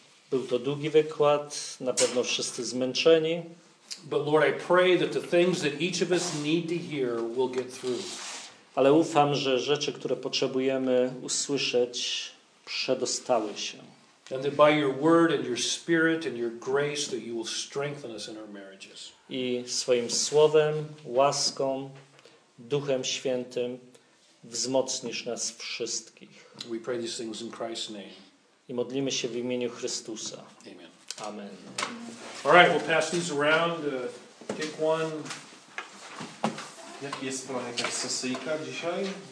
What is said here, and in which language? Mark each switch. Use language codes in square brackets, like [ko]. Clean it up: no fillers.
[pl] Był to długi wykład, na pewno wszyscy zmęczeni. [en] But Lord, I pray that the things that each of us need to hear will get through. [pl] Ale ufam, że rzeczy, które potrzebujemy usłyszeć, przedostały się. [en] And that by your word and your spirit and your grace that you will strengthen us in our marriages. [pl] I swoim słowem, łaską, Duchem Świętym wzmocnisz nas wszystkich. [en] We pray these things in Christ's name. [pl] I modlimy się w imieniu Chrystusa. [en] Amen. [pl] Amen. [en] All right, we'll pass these around. Take one. [pl] Jaki jest plan, jaka sesyjka dzisiaj?